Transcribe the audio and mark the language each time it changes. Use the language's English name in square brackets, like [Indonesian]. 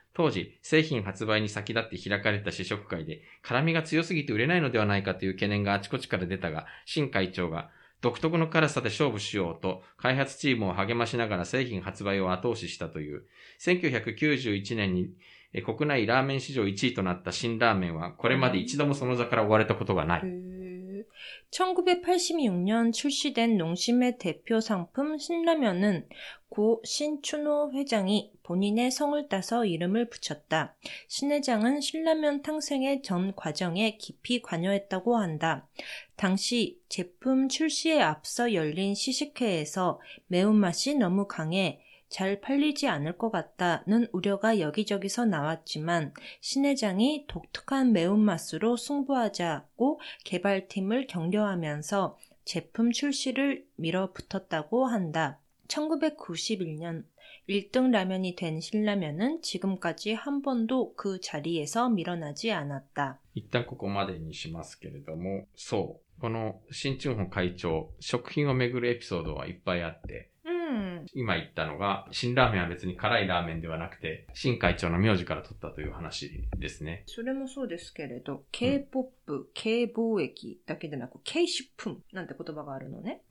[Japanese] 当時、製品発売に先立って開かれた試食会で、辛味が強すぎて売れないのではないかという懸念があちこちから出たが、新会長が、独特の辛さで勝負しようと、開発チームを励ましながら製品発売を後押ししたという。 1991年に、国内ラーメン市場1位となった辛ラーメンは、これまで一度もその座から追われたことがない。 [Korean] 1986년 출시된 농심의 대표 상품 신라면은 고 신춘호 회장이 본인의 성을 따서 이름을 붙였다. 신 회장은 신라면 탄생의 전 과정에 깊이 관여했다고 한다. 당시 제품 출시에 앞서 열린 시식회에서 매운맛이 너무 강해잘 팔리지 않을 것 같다는 우려가 여기저기서 나왔지만 신 회장이 독특한 매운맛으로 승부하자고 개발팀을 격려하면서 제품 출시를 밀어붙었다고 한다. 1991년 1등 라면이 된 신라면은 지금까지 한 번도 그 자리에서 밀어나지 않았다. 일단 [Japanese] ここまでにしますけれども、そう、この新春穂会長、食品をめぐるエピソードはいっぱいあって、今言ったのが、辛ラーメンは別に辛いラーメンではなくて、新会長の名字から取ったという話ですね。それもそうですけれど、K-POP、うん、K 貿易だけでなく、K 食品なんて言葉があるのね。